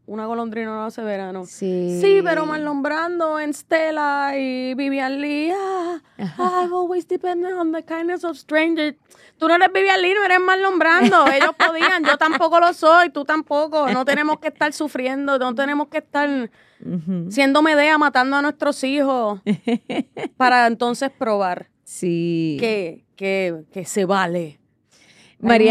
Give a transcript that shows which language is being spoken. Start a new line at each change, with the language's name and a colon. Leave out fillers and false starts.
Spanish: una golondrina no hace verano. Sí. Sí, pero Marlon Brando en Stella y Vivian Leigh.
English: I always depend on the kindness of strangers.
Spanish: Tú no eres Vivian Leigh, no eres Marlon Brando. Ellos podían, yo tampoco lo soy, tú tampoco. No tenemos que estar sufriendo, no tenemos que estar siendo Medea, matando a nuestros hijos para entonces probar que se vale. María.